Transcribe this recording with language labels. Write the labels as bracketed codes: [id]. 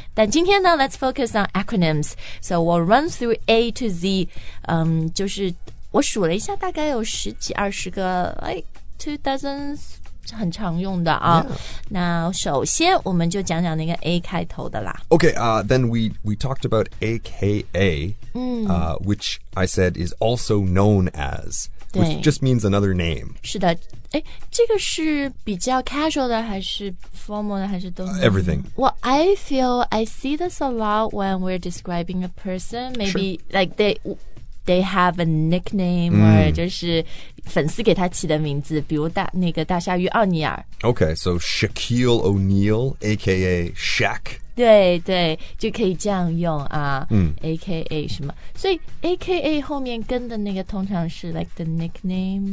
[zh] 但今天呢 [en] let's focus on acronyms. So we'll run through A to Z.、 [zh] 就是我数了一下大概有十几二十个 [en] like two dozens [zh] 很常用的、 [en] yeah. [zh] 那首先我们就讲讲那个 A 开头的啦 [en] Okay, then we talked about AKA、嗯 which I said is also known as which just means another name [zh] 是的这个是比较 casual 的还是 formal 的还是都是、 [en] everything Well, I feel I see this a lot when we're describing a person maybe、 sure. like they have a nickname、mm. [zh] or 就是粉丝给他起的名字比如那个大鲨鱼奥尼尔 [en] Okay, so Shaquille O'Neal aka Shaq [zh] 对对就可以这样用啊、 mm. aka 什么所以 aka 后面跟的那个通常是 [en] like the nickname、